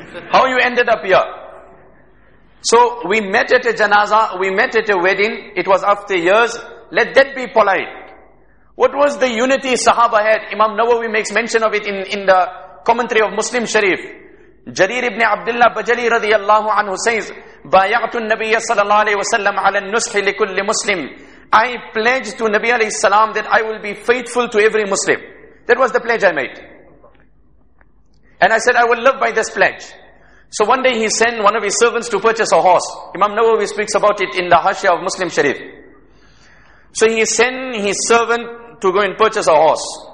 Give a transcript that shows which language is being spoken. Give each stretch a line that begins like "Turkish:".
English: How you ended up here? So we met at a janaza, we met at a wedding, it was after years. Let that be polite. What was the unity Sahaba had? Imam Nawawi makes mention of it in the commentary of Muslim Sharif.
Arabic: Jarir ibn Abdullah Bajali radiallahu anhu says, بَيَعْتُ النَّبِيَ صَلَى اللَّهُ عَلَيْهِ وَسَلَّمْ عَلَى النُّسْحِ لِكُلِّ مُسْلِمٍ.
English: I pledge to Nabi alayhi salam that I will be faithful to every Muslim. That was the pledge I made. And I said, I will live by this pledge. So one day he sent one of his servants to purchase a horse. Imam Nawawi speaks about it in the Hashya of Muslim Sharif. So he sent his servant to go and purchase a horse.